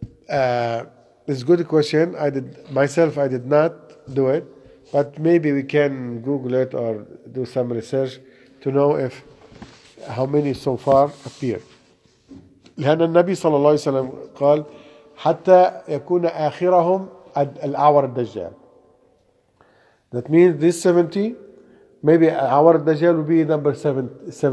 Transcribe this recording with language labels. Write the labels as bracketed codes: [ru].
[en] It's a good question. I did not do it, but maybe we can Google it or do some research to know if how many so far appear. [ar] لأن النبي صلى الله عليه وسلم قال حتى يكون آخرهم الأعور الدجال. [en] That means this 70, maybe our Dajjal will be number 70.